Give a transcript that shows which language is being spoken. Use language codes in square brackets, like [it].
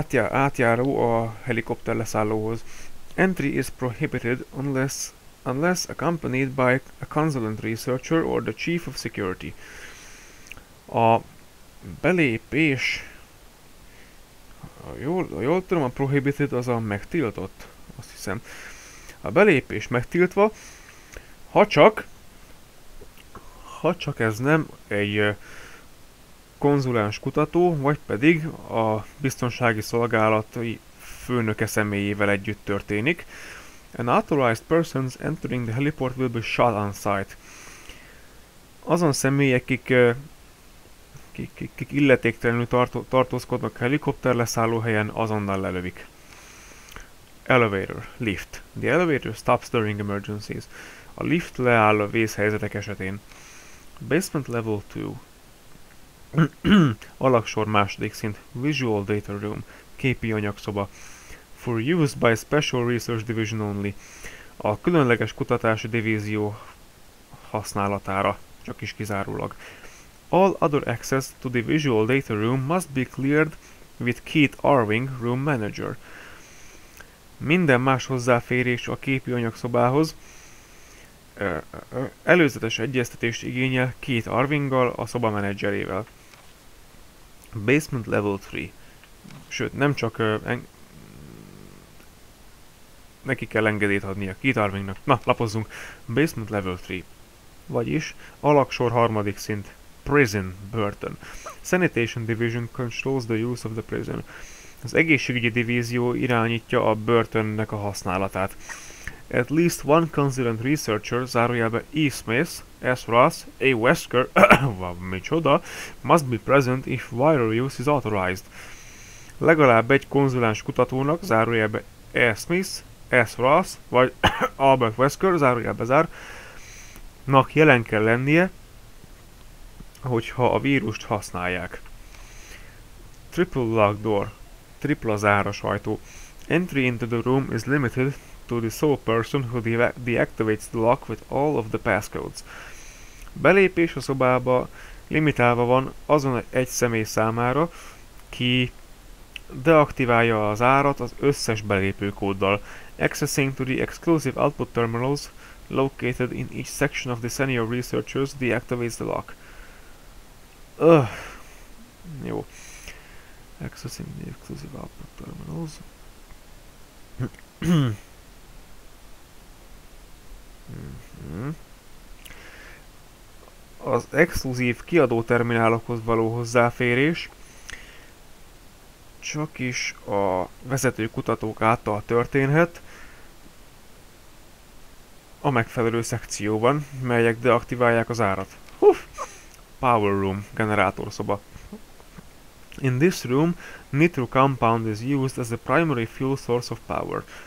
[hu] Átjáró a helikopter leszállóhoz. [en] Entry is prohibited unless accompanied by a consulent researcher or the chief of security. [hu] A belépés... Ha jól tudom, a prohibited az a megtiltott, azt hiszem. A belépés megtiltva, ha csak ez nem egy konzuláns kutató, vagy pedig a biztonsági szolgálati főnöke személyével együtt történik. [en] An authorized person entering the heliport will be shot on sight. [hu] Azon személyek, akik kik illetéktelenül tartózkodnak helikopter leszálló helyen, azonnal lelövik. [en] Elevator, lift. The elevator stops during emergencies. [hu] A lift leáll a vészhelyzetek esetén. [en] Basement level 2. [hu] Alaksor második szint. [en] Visual data room. [hu] Képi anyagszoba. [en] For use by special research division only. [hu] A különleges kutatási divízió használatára. Csak is kizárólag. [en] All other access to the visual data room must be cleared with Keith Arving, room manager. [hu] Minden más hozzáférés a képi anyagszobához előzetes egyeztetést igényel Keith Arvinggal, a szoba menedzserével. [en] Basement level 3. [hu] Sőt, nem csak neki kell engedélyt adnia Keith Arvingnak. Na, lapozzunk. Basement level 3. Vagyis alaksor harmadik szint. Prison, börtön. [en] Sanitation division controls the use of the prison. [hu] Az egészségügyi divízió irányítja a börtönnek a használatát. [en] At least one consultant researcher, zárójelbe E. Smith, S. Ross, A. Wesker, micsoda, must be present if viral use is authorized. [hu] Legalább egy konzuláns kutatónak, zárójelbe E. Smith, S. Ross, vagy Albert Wesker, zárójelbe zár, nak jelen kell lennie, hogyha a vírust használják. [en] Triple lock door. [hu] Tripla záras ajtó. [en] Entry into the room is limited to the sole person who deactivates the lock with all of the passcodes. [hu] Belépés a szobába limitálva van azon egy személy számára, ki deaktiválja a zárat az összes belépőkóddal. [en] Accessing to the exclusive output terminals located in each section of the senior researchers deactivates the lock. Jó. Accessing the exclusive output terminals. [hu] Az exkluzív kiadó terminálokhoz való hozzáférés csak is a vezető kutatók által történhet a megfelelő szekcióban, melyek deaktiválják az árat. Huff! [en] Power room, [hu] generátorszoba. [en] In this room, nitro compound is used as the primary fuel source of power.